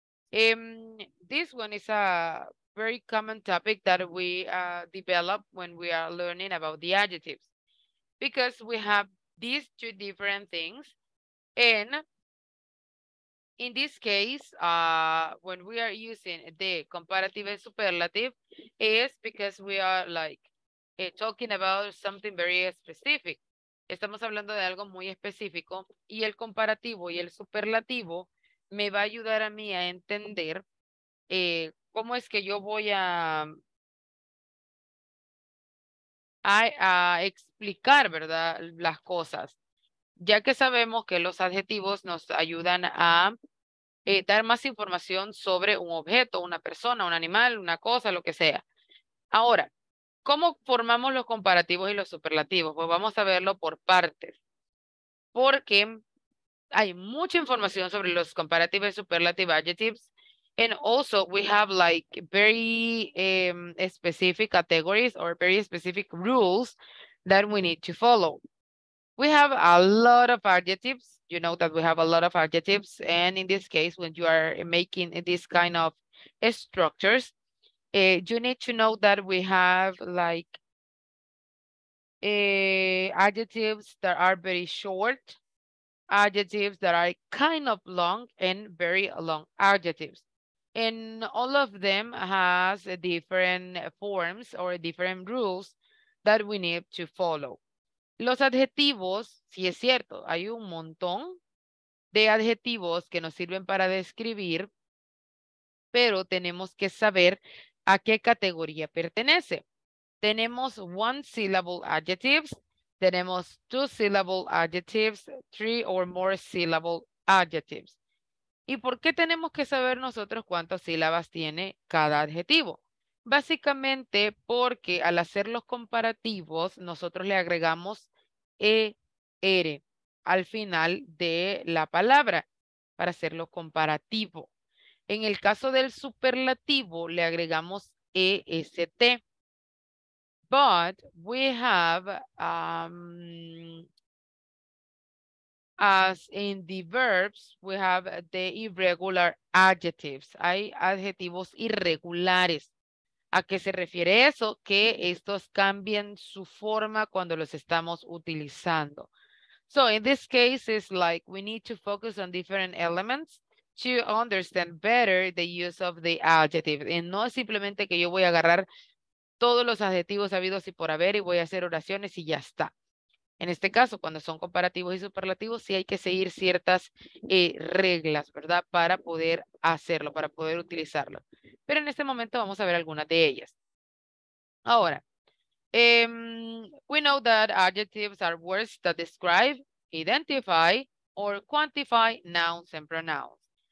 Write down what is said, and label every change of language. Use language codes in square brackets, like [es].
[en] This one is a very common topic that we develop when we are learning about the adjectives, because we have these two different things. And in this case, when we are using the comparative and superlative, is because we are like talking about something very specific. [es] Estamos hablando de algo muy específico, y el comparativo y el superlativo me va a ayudar a mí a entender ¿cómo es que yo voy a explicar, verdad, las cosas? Ya que sabemos que los adjetivos nos ayudan a dar más información sobre un objeto, una persona, un animal, una cosa, lo que sea. Ahora, ¿cómo formamos los comparativos y los superlativos? Pues vamos a verlo por partes, porque hay mucha información sobre los [en] comparative y superlative adjectives. And also, we have like very specific categories or very specific rules that we need to follow. We have a lot of adjectives. You know that we have a lot of adjectives. And in this case, when you are making this kind of structures, you need to know that we have like adjectives that are very short, adjectives that are kind of long, and very long adjectives. And all of them has different forms or different rules that we need to follow. [es] Los adjetivos, sí es cierto, hay un montón de adjetivos que nos sirven para describir, pero tenemos que saber a qué categoría pertenece. Tenemos [en] one syllable adjectives, [es] tenemos [en] two syllable adjectives, three or more syllable adjectives. [es] ¿Y por qué tenemos que saber nosotros cuántas sílabas tiene cada adjetivo? Básicamente porque al hacer los comparativos, nosotros le agregamos er al final de la palabra para hacerlo comparativo. En el caso del superlativo, le agregamos est. [en] But we have, as in the verbs, we have the irregular adjectives. [es] Hay adjetivos irregulares. ¿A qué se refiere eso? Que estos cambian su forma cuando los estamos utilizando. [en] So in this case, it's like we need to focus on different elements to understand better the use of the adjective. [es] Y no es simplemente que yo voy a agarrar todos los adjetivos habidos y por haber y voy a hacer oraciones y ya está. En este caso, cuando son comparativos y superlativos, sí hay que seguir ciertas reglas, ¿verdad? Para poder hacerlo, para poder utilizarlo. Pero en este momento vamos a ver algunas de ellas. Ahora, [en] we know that adjectives are words that describe, identify, or quantify nouns and pronouns.